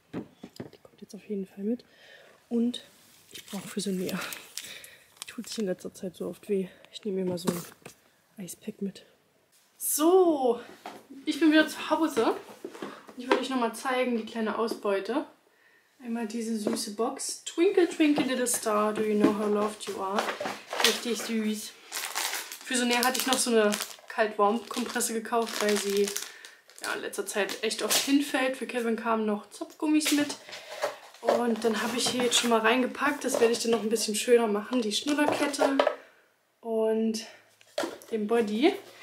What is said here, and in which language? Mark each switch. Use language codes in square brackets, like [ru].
[de] Die kommt jetzt auf jeden Fall mit. Und ich brauche für so mehr. Tut sich in letzter Zeit so oft weh. Ich nehme mir mal so ein Eispack mit. So, ich bin wieder zu Hause. Ich wollte euch nochmal zeigen, die kleine Ausbeute. Einmal diese süße Box. [en] Twinkle, twinkle, little star, do you know how loved you are? [de] Richtig süß. Für so näher hatte ich noch so eine Kalt-Warm-Kompresse gekauft, weil sie ja, in letzter Zeit echt oft hinfällt. Für Kevin kamen noch Zopfgummis mit. Und dann habe ich hier jetzt schon mal reingepackt. Das werde ich dann noch ein bisschen schöner machen. Die Schnullerkette und den Body.